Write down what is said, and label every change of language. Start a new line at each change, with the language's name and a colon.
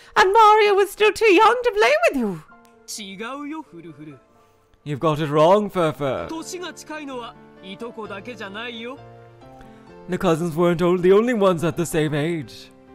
English: And Mario was still too young to play with you.
Japanese: 違うよ、 フルフル。
English: You've got it wrong, Furfur.
Japanese: 年が近いのは、いとこだけじゃないよ。
English: The cousins weren't all the only ones at the same age.